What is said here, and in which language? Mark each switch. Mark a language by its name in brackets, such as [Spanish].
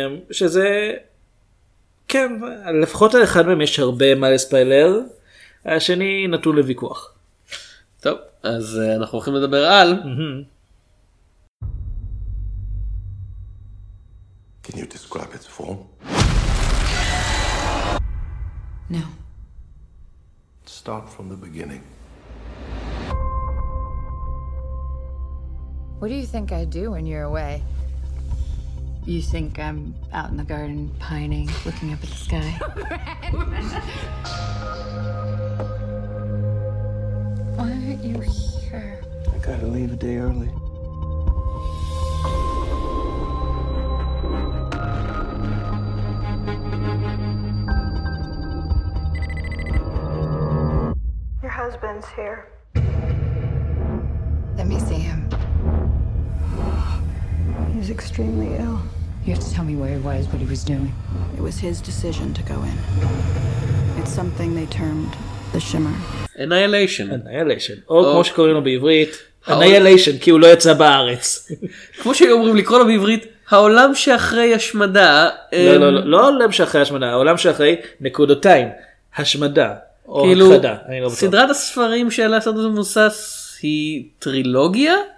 [Hebrew] שזה, כן, לפחות על אחד מהם יש הרבה מה לספיילר, השני נתון לוויכוח. טוב, אז אנחנו הולכים לדבר על... [English] Can you describe its form? No. Start from the beginning. What do you think I do when you're away? You think I'm out in the garden pining, looking up at the sky? Why aren't you here? I gotta leave a day early. Your husband's here. Let me see him. He's extremely ill. You have to tell me where he was, what he was doing. It was his decision to go in. It's something they termed the shimmer. Annihilation. Annihilation. [Hebrew] או כמו שקוראים לו בעברית, Annihilation, כי הוא לא יצא בארץ. כמו שהיו אומרים לקרוא לו בעברית, העולם שאחרי השמדה... לא העולם שאחרי השמדה, העולם שאחרי נקודותיים. השמדה. או הכחדה. סדרת הספרים של הסרט הזה מבוסס היא טרילוגיה?